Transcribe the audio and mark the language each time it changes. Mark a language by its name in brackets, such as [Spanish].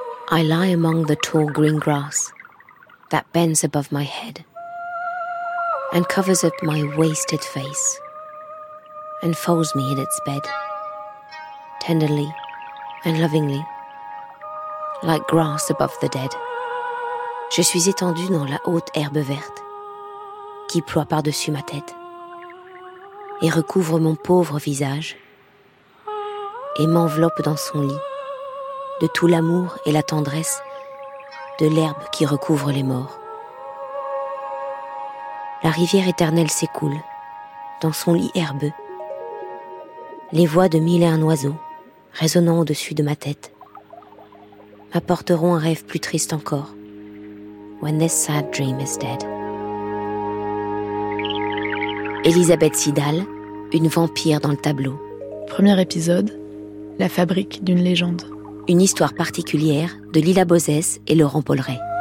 [English] I lie among the tall green grass that bends above my head and covers up my wasted face and folds me in its bed tenderly and lovingly like grass above the dead. [French] Je suis étendu dans la haute herbe verte qui ploie par-dessus ma tête et recouvre mon pauvre visage et m'enveloppe dans son lit de tout l'amour et la tendresse de l'herbe qui recouvre les morts. La rivière éternelle s'écoule dans son lit herbeux, les voix de mille et un oiseaux résonnant au-dessus de ma tête m'apporteront un rêve plus triste encore. [English] When this sad dream is dead. [French] Elisabeth Sidal, une vampire dans le tableau. Premier épisode, la fabrique d'une légende. Une histoire particulière de Lila Bozès et Laurent Polleray.